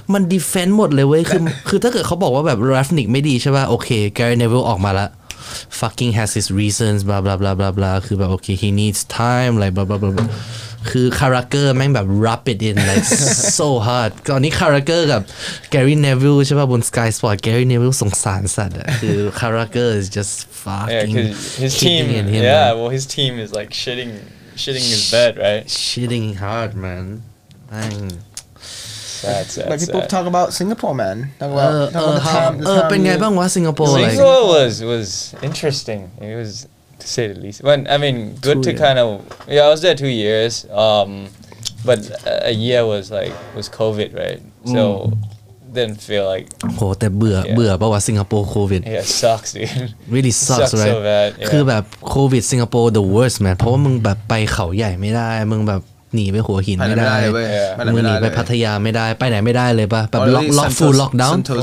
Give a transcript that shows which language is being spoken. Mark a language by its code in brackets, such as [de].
[th] มัน defend หมดเลยเว้ยคือถ้าเกิดเขาบอกว่าแบบ Rafnik ไม่ดีใช่ป่ะโอเค Gary Neville ออกมาละ [en] fucking has his reasons blah blah [th] blah blah blah คือแบบโอเค [en] he needs time like blah blah blah, blah. [th] คือคาราเกอร์แม่งแบบ [en] rub it in like so hard [th] ตอนนี้คาราเกอร์กับ Gary Neville ใช่ป่ะบน Sky Sport Gary Neville สงสารสัตว์อ่ะคือคาราเกอร์ [en] is just fucking his team is like shitting his bed right shitting hard man dang sad but people talk about Singapore man talk about [th] the time เป็นไงบ้างวะ Singapore [en] Singapore was interesting it wasTo say the least. When, I mean, good two to kind of... Yeah, I was there 2 years. But a year was COVID, right? So, didn't feel like... Oh, but เบื่อ Singapore COVID. Yeah, it sucks, dude. Really sucks, right? Sucks so bad, yeah. [th] คือแบบ [en] COVID Singapore the worst, man. [th] เพราะว่ามึงแบบไปเขาใหญ่ไม่ได้มึงแบบหนีไปหัวหินไม่ได้ มึงหนีไปพัทยาไม่ได้ไปไหนไม่ได้เลยป่ะแบบล็อก full lockdown?